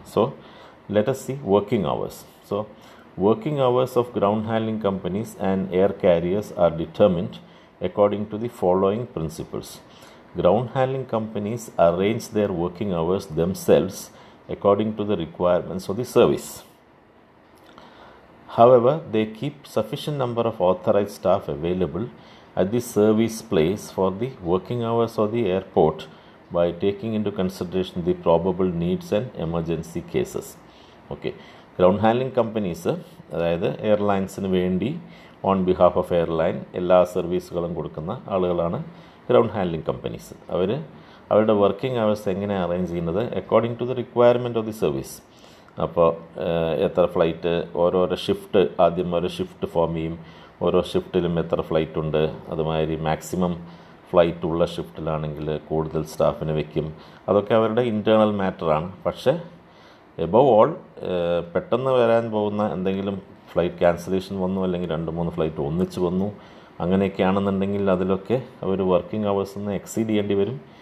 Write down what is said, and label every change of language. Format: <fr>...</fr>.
<en>So let's see working hours. So working hours of ground handling companies and air carriers are determined according to the following principles. Ground handling companies arrange their working hours themselves according to the requirements of the service. However, they keep sufficient number of authorized staff available at the service place for the working hours of the airport by taking into consideration the probable needs and emergency cases. Okay. Ground handling companies,</en> <ml>adayathu airlines nu vendi</ml> <en>on behalf of airline</en> <ml>ella service galum kodukkuna aalukalana</ml> <en>ground handling companies.</en> <ml>Avaru avarude</ml> <en>working hours engane arrange cheynathu according to the requirement of the service.</en> <ml>അപ്പോൾ എത്ര flight, ഓരോരോ shift, ആദ്യം ഓരോ shift form ചെയ്യും, ഓരോ ഷിഫ്റ്റിലും എത്ര flight ഉണ്ട്, അതുമാതിരി മാക്സിമം ഫ്ലൈറ്റ് ഉള്ള ഷിഫ്റ്റിലാണെങ്കിൽ കൂടുതൽ സ്റ്റാഫിനെ വയ്ക്കും. അതൊക്കെ അവരുടെ ഇൻറ്റേർണൽ മാറ്ററാണ്. പക്ഷേ എബവ് ഓൾ പെട്ടെന്ന് വരാൻ പോകുന്ന എന്തെങ്കിലും ഫ്ലൈറ്റ് ക്യാൻസലേഷൻ വന്നു, അല്ലെങ്കിൽ രണ്ട് മൂന്ന് ഫ്ലൈറ്റ് ഒന്നിച്ച് വന്നു, അങ്ങനെയൊക്കെയാണെന്നുണ്ടെങ്കിൽ അതിലൊക്കെ അവർ വർക്കിംഗ് അവേഴ്സിൽ നിന്ന് എക്സീഡ് ചെയ്യേണ്ടി വരും.</ml>